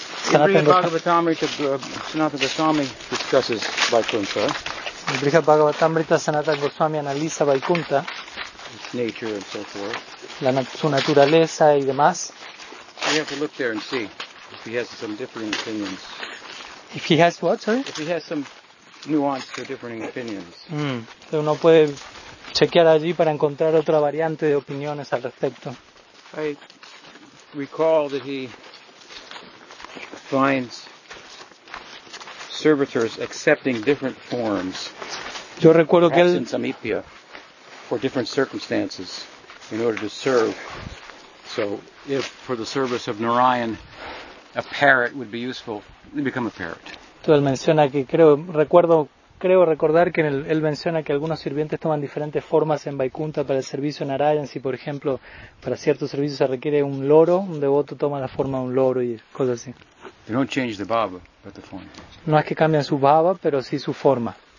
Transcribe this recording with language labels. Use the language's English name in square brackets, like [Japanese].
[English] Sanatana Goswami discusses Vaikuntha. [Spanish] In Brihat Bhagavatamrita, Sanatana Goswami analiza Vaikuntha. [English] Nature and so forth. [Spanish] Su naturaleza y demás. [English] We have to look there and see if he has some differing opinions. If he has what, sorry? If he has some nuanced or differing opinions. [Spanish] Entonces uno puede chequear allí para encontrar otra variante de opiniones al respecto. [English] I recall that he finds servitors accepting different forms. [Spanish] Yo recuerdo que él [English] for different circumstances in order to serve. So if for the service of Narayan a parrot would be useful, then become a parrot. [Spanish] Entonces él menciona que creo recordar que él menciona que algunos sirvientes toman diferentes formas en Vaikuntha para el servicio de Narayan. Si por ejemplo para ciertos servicios se requiere un loro, un devoto toma la forma de un loro y cosas así. [English] They don't change the bhava, but the form. [Spanish] No es que cambien su bhava, pero sí su forma.